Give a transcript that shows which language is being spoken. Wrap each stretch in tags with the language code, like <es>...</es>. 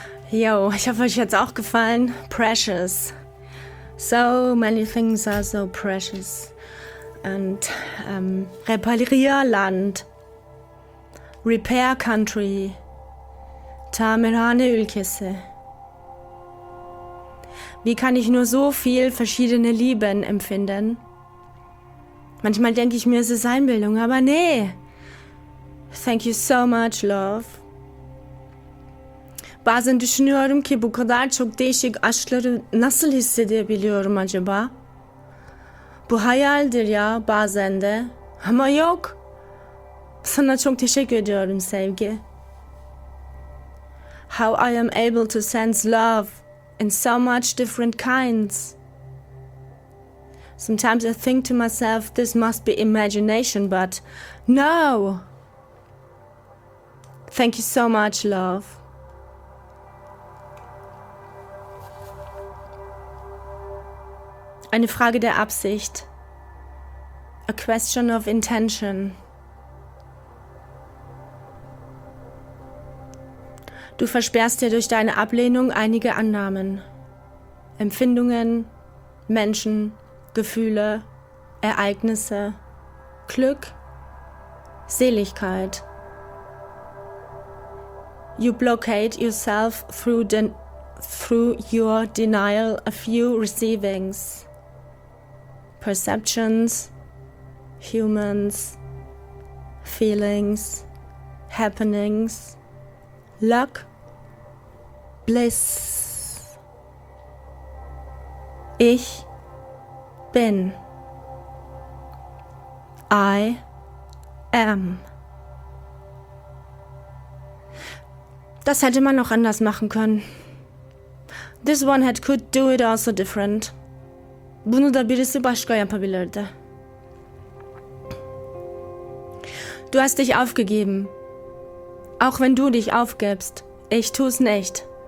<de>Yo, ich hoffe, euch hat's auch gefallen.</de> <en>Precious. So many things are so precious. And Reparierland. Repair Country. Tamerane Ölkisse.</en> <de>Wie kann ich nur so viel verschiedene Lieben empfinden? Manchmal denke ich mir, es ist Einbildung, aber nee.</de> <en>Thank you so much, love.</en> <tr>Bazen düşünüyorum ki bu kadar çok değişik aşkları nasıl hissedebiliyorum acaba? Bu hayaldir ya bazen de. Ama yok. Sana çok teşekkür ediyorum sevgi.</tr> <en>How I am able to sense love in so much different kinds. Sometimes I think to myself, this must be imagination, but no. Thank you so much, love.</en> <de>Eine Frage der Absicht.</de> <en>A question of intention.</en> <de>Du versperrst dir durch deine Ablehnung einige Annahmen, Empfindungen, Menschen, Gefühle, Ereignisse, Glück, Seligkeit.</de> <en>You blockade yourself through your denial a few receivings, perceptions, humans, feelings, happenings, luck, bliss.</en> <de>Ich bin.</de> <en>I am.</en> <de>Das hätte man noch anders machen können.</de> <en>This one had could do it also different.</en> <tr>Bunu da birisi başka yapabilirdi.</tr> <de>Du hast dich aufgegeben. Auch wenn du dich aufgibst, ich tu's nicht.</de>